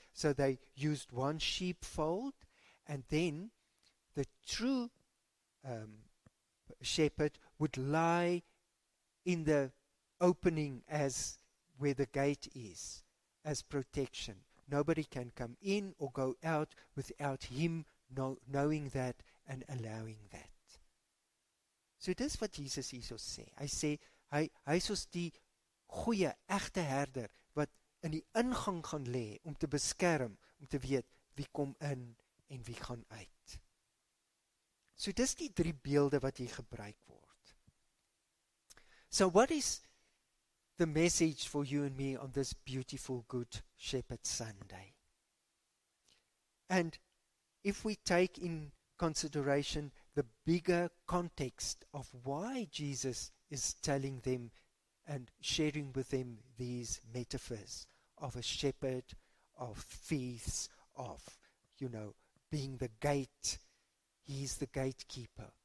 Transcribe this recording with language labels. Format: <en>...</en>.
<en>So they used one sheepfold and then the true shepherd would lie in the opening as where the gate is, as protection. Nobody can come in or go out without him knowing that and allowing that.</en> <af>So dis wat Jesus hierso sê. Hy sê, hy is soos die goeie, egte herder, wat in die ingang gaan lê om te beskerm, om te weet wie kom in en wie gaan uit. So dis die drie beelde wat hier gebruik word.</af> <en>So what is the message for you and me on this beautiful Good Shepherd Sunday? And if we take in consideration the bigger context of why Jesus is telling them and sharing with them these metaphors of a shepherd, of feasts, of, you know, being the gate, he is the gatekeeper.</en>